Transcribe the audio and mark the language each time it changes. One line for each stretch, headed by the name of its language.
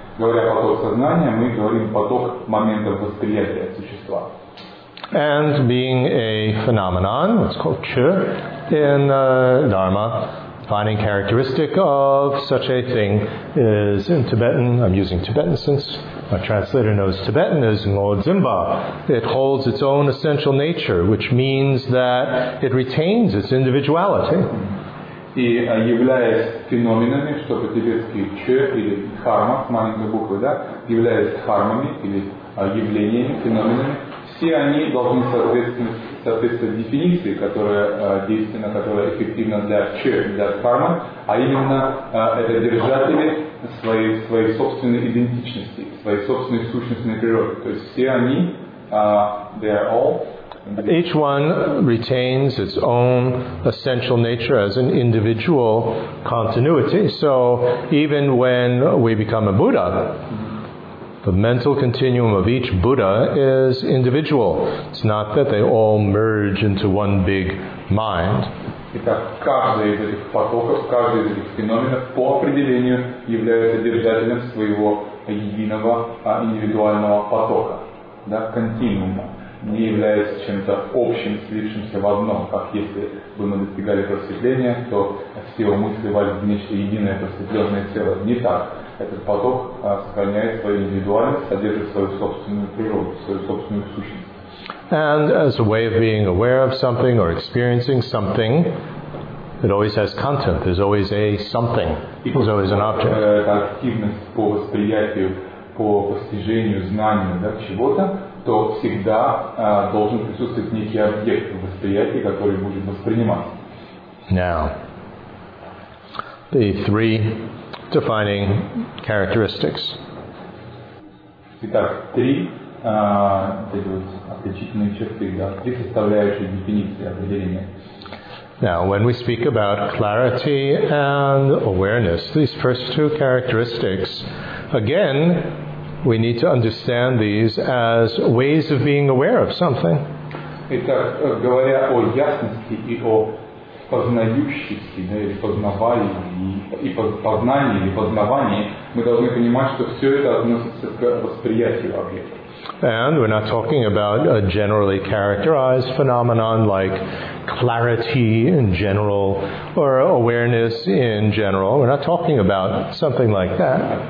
Russian: Говоря поток сознания, мы говорим поток моментов восприятия существа.
English: And being a phenomenon, it's called chi in Dharma, defining characteristic of such a thing is in Tibetan, I'm using Tibetan since my translator knows Tibetan, is Ngo Dzimba. It holds its own essential nature, which means that it retains its individuality.
Russian: И являясь феноменами, что по-тибетски ч или дхарма, маленькая буква, да, являясь дхармами или явлениями, феноменами, все они должны соответствовать дефиниции, которая действенна, которая эффективна для ч, для дхармы, а именно это держатели своей собственной идентичности, своей собственной сущностной природы. То есть все они,
English: they are all. Each one retains its own essential nature as an individual continuity. So even when we become a Buddha, the mental continuum of each Buddha is individual. It's not that they all merge into one big mind.
Russian: Итак, каждый из этих потоков, каждый из этих феноменов по определению является держателем своего единого индивидуального потока, да, континуума. Не является чем-то общим, слившимся в одном, как если бы мы достигали просветления, то все умы сливались в нечто единое просветленное тело. Не так. Этот поток сохраняет свою индивидуальность, содержит свою собственную природу, свою собственную сущность.
English: And as a way of being aware of something or experiencing something, it always has content. There's always a something. There's always an object.
Russian: Это активность по восприятию, по постижению, знанию, да, чего-то, то всегда должен присутствовать некий объект в восприятии, который будет восприниматься.
English: Now, the three defining characteristics.
Russian: Итак, три отличительные черты, да, три составляющие дефиниции определения.
English: Now, when we speak about clarity and awareness, these first two characteristics, again, we need to understand these as ways of being aware of something.
Russian: Итак, говоря о ясности и о познающести, да, или познавании, и познании, и познавании, мы должны понимать, что все это относится к восприятию объекта.
English: And we're not talking about a generally characterized phenomenon like clarity in general or awareness in general. We're not talking about something like that.